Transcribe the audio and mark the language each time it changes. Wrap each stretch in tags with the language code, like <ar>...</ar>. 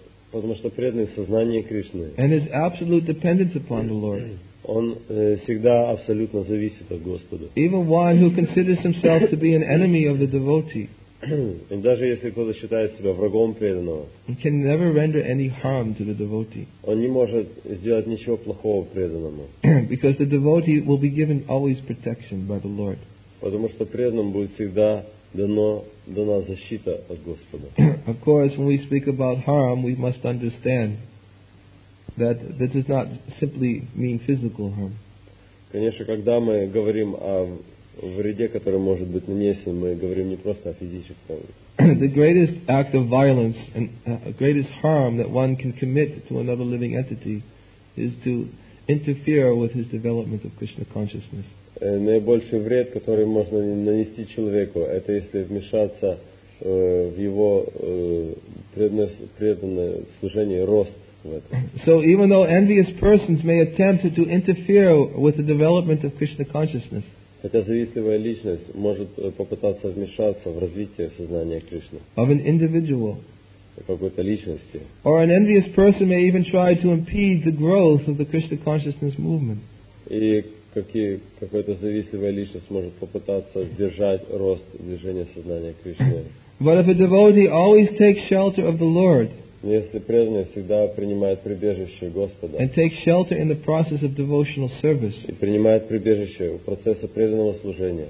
<ru>Потому что преданный в сознании Кришны.</ru> <en>And his absolute dependence upon the Lord.</en> <ru>Он всегда абсолютно зависит от Господа.</ru> <en>Even one who considers himself to be an enemy of the devotee.</en> <ru>И даже если кто-то считает себя врагом преданного.</ru> <en>He can never render any harm to the devotee.</en> <ru>Он не может сделать ничего плохого преданному.</ru> <en>Because the devotee will be given always protection by the Lord.</en> <ru>Потому что преданному будет всегда дана защита от Господа.</ru> <en>Of course, when we speak about harm, we must understand that this does not simply mean physical harm.</en> <ru>Конечно, когда мы говорим о вреде, который может быть нанесен, мы говорим не просто о физическом.</ru> <en>The greatest act of violence and greatest harm that one can commit to another living entity is to interfere with his development of Krishna consciousness.</en> <ru>Наибольший вред, который можно нанести человеку, это если вмешаться в его преданное служение, рост в этом.</ru> <en>So even though envious persons may attempt to interfere with the development of Krishna consciousness,</en> <ru>хотя завистливая личность может попытаться вмешаться в развитие сознания Кришны,</ru> <en>of an individual,</en> <ru>какой-то личности,</ru> <en>or an envious person may even try to impede the growth of the Krishna consciousness movement.</en> <ru>Какая-то завистливая личность может попытаться сдержать рост движения сознания Кришны.</ru> <en>But if a devotee always takes shelter of the Lord,</en> <ru>если преданный всегда принимает прибежище Господа,</ru> <en>and take shelter in the process of devotional service,</en> <ru>и принимает прибежище в процессе преданного служения,</ru>